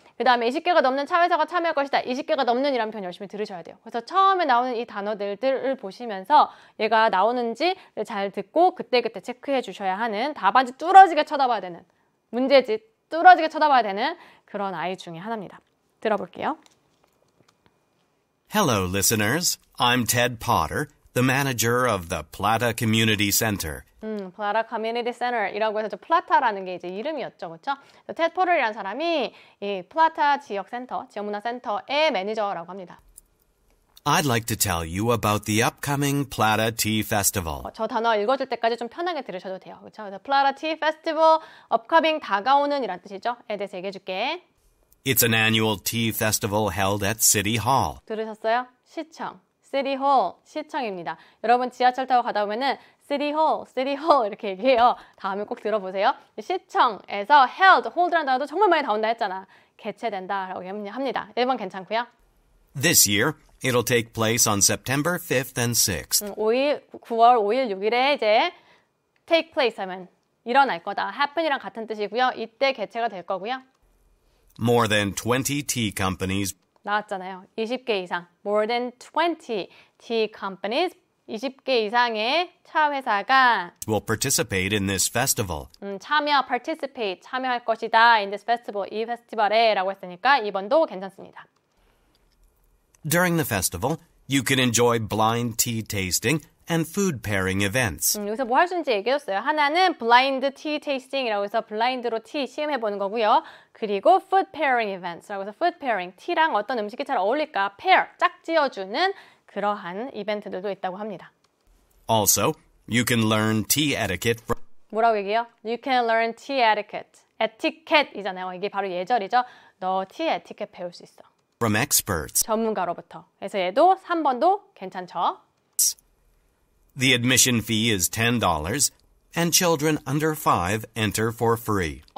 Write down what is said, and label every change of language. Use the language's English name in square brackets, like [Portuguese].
[Korean] 그 다음에 20개가 넘는 참회사가 참여할 것이다. 20개가 넘는 이라는 표현 열심히 들으셔야 돼요. 그래서 처음에 나오는 이 단어들을 보시면서 얘가 나오는지 잘 듣고 그때그때 체크해 주셔야 하는 답안지 뚫어지게 쳐다봐야 되는 문제지 뚫어지게 쳐다봐야 되는 그런 아이 중에 하나입니다. 들어볼게요. [English] Hello, listeners. I'm Ted Potter, the manager of the Plata Community Center. [Korean] Plata Community Center이라고 해서 플라타라는 게 이제 이름이었죠, 그렇죠? 테드 포터라는 사람이 이 플라타 지역 센터, 지역문화센터의 매니저라고 합니다. [English] I'd like to tell you about the upcoming Plata Tea Festival. [Korean] 저 단어 읽어줄 때까지 좀 편하게 들으셔도 돼요, 그렇죠? Plata Tea Festival, upcoming 다가오는이란 뜻이죠. 에 대해서 얘기해줄게. [English] It's an annual tea festival held at City Hall. [Korean] 들으셨어요? 시청. City Hall, 시청입니다. 여러분 지하철 타고 가다 보면은 City Hall, City Hall 이렇게 얘기해요. 다음에 꼭 들어보세요. 시청에서 held, hold라는 단어도 정말 많이 나온다 했잖아. 개최된다라고 합니다. 1번 괜찮고요. [English] This year, it'll take place on September 5th and [Korean] 6th. 9월 5일, 6일에 이제 take place 하면 일어날 거다. happen이랑 같은 뜻이고요. 이때 개최가 될 거고요. [English] More than 20 tea companies [Korean] 나왔잖아요. 20개 이상. [English] More than 20 tea companies [Korean] 20개 이상의 차 회사가 [English] will participate in this festival. [Korean] 참여, participate, 참여할 것이다. [English] In this festival, [Korean] 이 페스티벌에 라고 했으니까 이번도 괜찮습니다. [English] During the festival, you can enjoy blind tea tasting and food pairing events. [Korean] 여기서 뭐 할 수 있는지 얘기했어요. 하나는 blind tea tasting이라고 해서 블라인드로 티 시음해 보는 거고요. 그리고 food pairing events라고 해서 food pairing 티랑 어떤 음식이 잘 어울릴까 pair 짝지어 주는 그러한 이벤트들도 있다고 합니다. [English] Also, you can learn tea etiquette. From [Korean] 뭐라고 얘기해요? [English] You can learn tea etiquette. [Korean] 에티켓이잖아요. 이게 바로 예절이죠. 너 티 에티켓 배울 수 있어. [English] From experts. [Korean] 전문가로부터. 그래서 얘도 3번도 괜찮죠? [English] The admission fee is $10 and children under 5 enter for free.